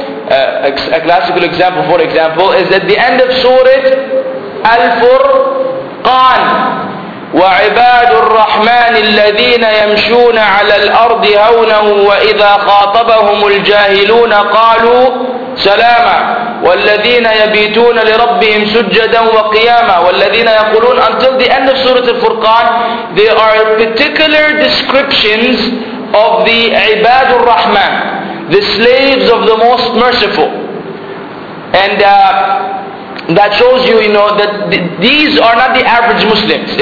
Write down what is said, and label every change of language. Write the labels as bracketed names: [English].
[English] A classical example is at the end of Surah Al-Furqan. [Arabic] وعباد الرحمن الذين يمشون على الأرض هونا وإذا خاطبهم الجاهلون قالوا سلاما والذين يبيتون لربهم سجدا وقياما والذين يقولون. [English] Until the end of Surah Al-Furqan, there are particular descriptions of the [Arabic] عباد الرحمن, [English] the slaves of the most merciful. And that shows you, you know, that these are not the average Muslims.